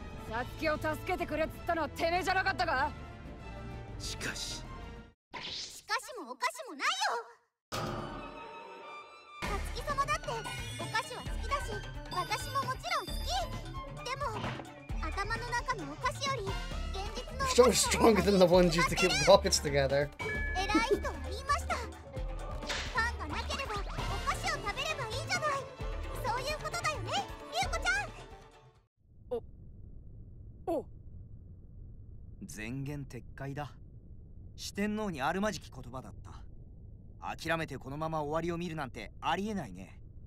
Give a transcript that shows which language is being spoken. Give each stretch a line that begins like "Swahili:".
Japanese: サツキを助けてくれっつったのはてめえじゃなかったか。しかし… しかしもお菓子もないよ。サツキ様だってお菓子は好きだし、私ももちろん好き。でも頭の中のお菓子より現実のお菓子の方が良い。
English: Stronger than the ones used to keep rockets together.
Japanese: 偉い人は言いました。パンがなければお菓子を食べればいいじゃない。そういうことだよね、リュウコちゃん。お前言撤回だ。四天王にあるまじき言葉だった。諦めてこのまま終わりを見るなんてありえないね。